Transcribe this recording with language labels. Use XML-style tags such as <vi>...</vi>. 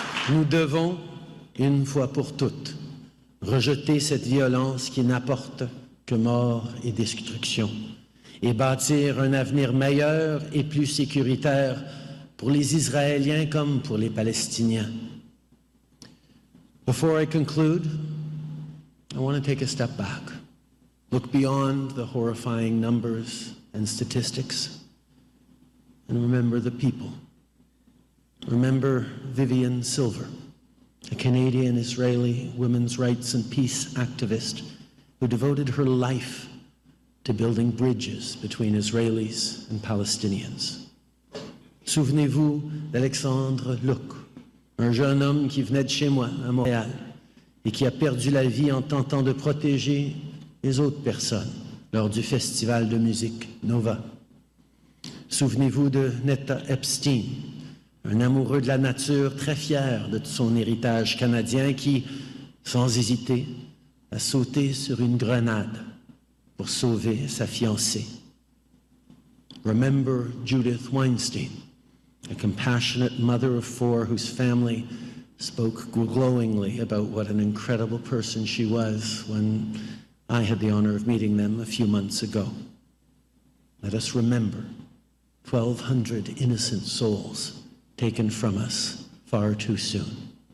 <fr>Nous devons, une fois pour toutes, rejeter cette violence qui n'apporte que mort et destruction, et bâtir un avenir meilleur et plus sécuritaire pour les Israéliens comme pour les Palestiniens.</fr> <en>Before I conclude, I want to take a step back, look beyond the horrifying numbers and statistics, and remember the people. Remember Vivian Silver, a Canadian-Israeli women's rights and peace activist who devoted her life to building bridges between Israelis and Palestinians.</en> <fr>Souvenez-vous d'Alexandre Luc, un jeune homme qui venait de chez moi à Montréal et qui a perdu la vie en tentant de protéger les autres personnes lors du festival de musique Nova. Souvenez-vous de Netta Epstein, un amoureux de la nature très fier de son héritage canadien qui, sans hésiter, a sauté sur une grenade pour sauver sa fiancée.</fr> <en>Remember Judith Weinstein, a compassionate mother of four whose family spoke glowingly about what an incredible person she was when I had the honor of meeting them a few months ago. Let us remember 1,200 innocent souls taken from us far too soon.</en>